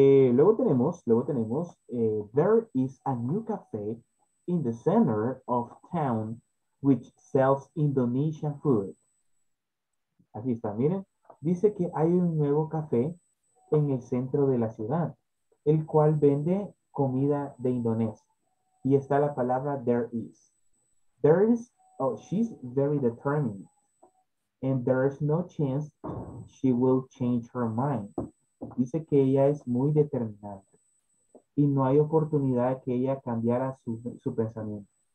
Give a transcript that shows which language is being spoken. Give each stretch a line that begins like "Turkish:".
Spanish: Luego tenemos,
English: there is a new cafe in the center of town which sells Indonesian food.
Spanish: Así está, miren. Dice que hay un nuevo café en el centro de la ciudad, el cual vende comida de Indonesia. Y está la palabra
English: there is. There is, oh, she's very determined. And there is no chance she will change her mind.
Spanish: Dice que ella es muy determinada y no hay oportunidad que ella cambiara su pensamiento.